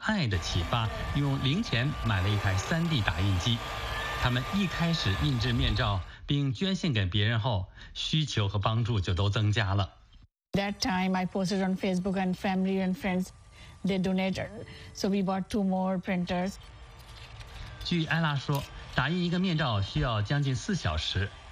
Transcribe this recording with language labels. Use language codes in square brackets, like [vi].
[zh] 侯赛因姐妹受到他们的机器人课程，还有他们对父亲的爱的启发，用零钱买了一台 3D 打印机。他们一开始印制面罩，并捐献给别人后，需求和帮助就都增加了。 [en] That time I posted on Facebook and family and friends, they donated, so we bought two more printers. [zh] 据艾拉说，打印一个面罩需要将近4小时。